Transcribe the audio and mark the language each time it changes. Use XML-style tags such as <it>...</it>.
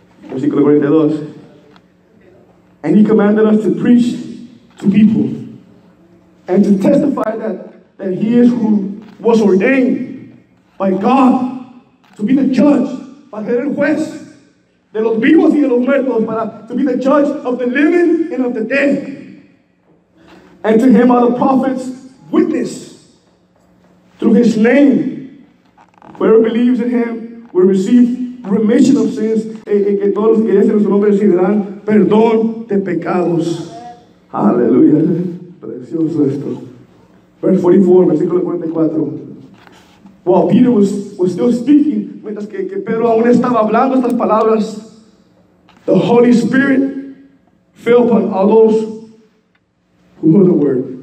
<es>Versículo 42.</es> <en>And he commanded us to preach to people and to testify that he is who was ordained by God to be the judge,</en> <es>para ser el juez de los vivos y de los muertos, para</es> <en>to be the judge of the living and of the dead. And to him are the prophets witness through his name. Whoever believes in him will receive remission of sins.</en> <es>Que todos los que creen en su nombre recibirán perdón de pecados. Aleluya. Precioso esto.</es> <en>Verse 44,</en> <es>versículo 44.</es> <en>While Peter was still speaking,</en> <es>mientras que Pedro aún estaba hablando estas palabras,</es> <en>the Holy Spirit fell upon all those who heard the word.</en>